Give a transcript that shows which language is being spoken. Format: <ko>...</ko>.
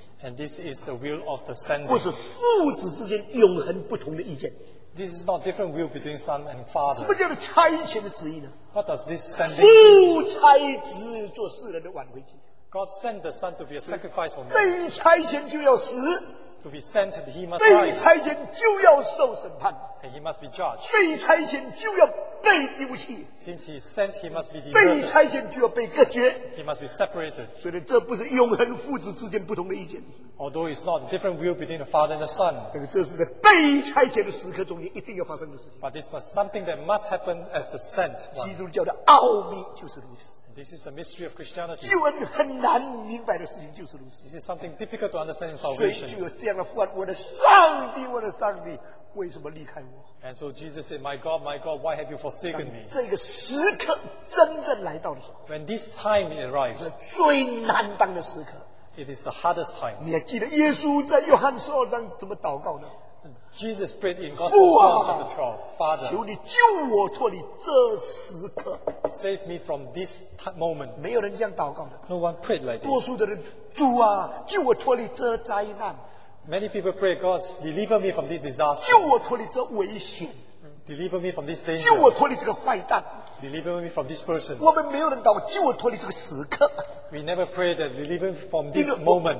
<en>And this is the will of the sending. This is not different will between son and father.</en> <zh>什么叫做差遣的旨意呢?</zh> <en>What does this sending mean? God sent the son to be a sacrifice for man.</en> <zh>被差遣就要死,</zh> <en>to be sent, he must die.</en> <zh>被差遣就要受审判,</zh> <en>and he must be judged.</en> <zh>被差遣就要被丢弃,</zh> <en>since he is sent, he must be deserted.</en> <zh>被差遣就要被隔绝,</zh> <en>he must be separated.</en> <zh>所以这不是永恒父子之间不同的意见。</zh> <en>Although it's not a different will between the Father and the Son.</en> <zh>这个这是在被差遣的时刻中，你一定要发生的事情。</zh> <en>But this was something that must happen as the sent one.</en> <zh>基督教的奥秘就是如此。</zh> <en>This is the mystery of Christianity.</en> <zh>救恩很难明白的事情就是如此。</zh> <en>This is something difficult to understand in salvation.</en> <zh>所以就有这样的父爱，我的上帝，我的上帝。为什么离开我?</zh> <en>And so Jesus said, my God, why have you forsaken me?</en> <zh>这个时刻真正来到的时候,</zh> <en>when this time it arrives,</en> <zh>最难当的时刻,</zh> <en>it is the hardest time.</en> <zh>你还记得耶稣在约翰十二章怎么祷告呢?</zh> <en>Jesus prayed in Gospel chapter 12, Father,</en> <zh>求你救我脱离这时刻,</zh> <en>save me from this moment.</en> <zh>没有人这样祷告的,</zh> <en>no one prayed like this.</en> <zh>多数的人, 主啊, 救我脱离这灾难,</zh> <en>many people pray, God, deliver me from this disaster.</en> <zh>救我脱离这危险,</zh> <en>deliver me from this danger.</en> <zh>救我脱离这个坏蛋,</zh> <en>deliver me from this person.</en> <zh>我们没有人祷告, 救我脱离这个时刻,</zh> <en>we never pray that we live from this moment.</en>